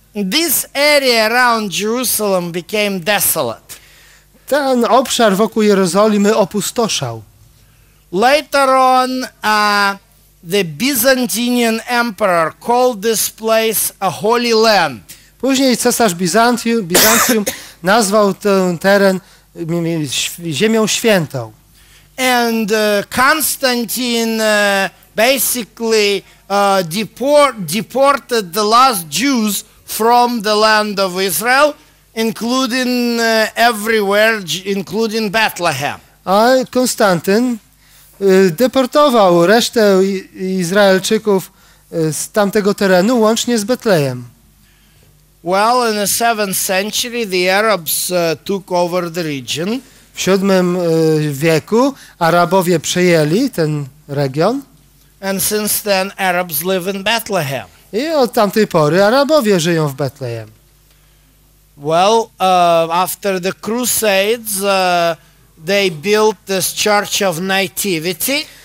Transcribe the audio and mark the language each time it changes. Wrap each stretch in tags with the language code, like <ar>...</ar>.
<en>this area around Jerusalem became desolate.</en> <pl>Ten obszar wokół Jerozolimy opustoszał.</pl> <en>Later on, the Byzantine emperor called this place a holy land.</en> <pl>Później cesarz Bizancjum nazwał ten teren ziemią świętą.</pl> <en>And Constantine basically deported the last Jews from the land of Israel, including everywhere, including Bethlehem.</en> <pl>A Konstantyn deportował resztę Izraelczyków z tamtego terenu, łącznie z Betlejem.</pl> <en>Well, in the 7th century the Arabs took over the region.</en> <pl>W VII wieku Arabowie przejęli ten region.</pl> <en>And since then Arabs live in Bethlehem.</en> <pl>I od tamtej pory Arabowie żyją w Betlejem.</pl> <en>Well, after the Crusades they built this church of nativity.</en>